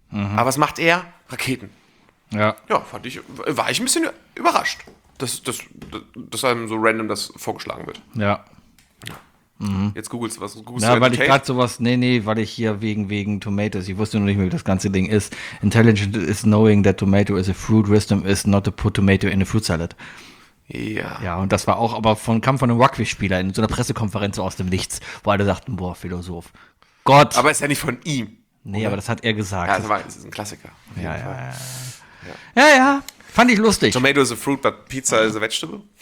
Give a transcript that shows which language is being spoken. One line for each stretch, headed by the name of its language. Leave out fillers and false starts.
German: Mhm. Aber was macht er? Raketen. Ja, war ich ein bisschen überrascht, dass einem so random das vorgeschlagen wird. Ja. Jetzt googelst du was. Weil ich hier wegen Tomatoes, ich wusste noch nicht mehr, wie das ganze Ding ist.
English: Intelligent is knowing that tomato is a fruit, wisdom is not to put tomato in a fruit salad.
German: Ja. Ja, und das war auch, aber kam von einem Rugby-Spieler in so einer Pressekonferenz aus dem Nichts, wo alle sagten, boah, Philosoph. Gott. Aber ist ja nicht von ihm. Nee, aber das hat er gesagt. Ja, das ist ein Klassiker. Ja, fand ich lustig.
English: Tomato is a fruit, but pizza is a vegetable.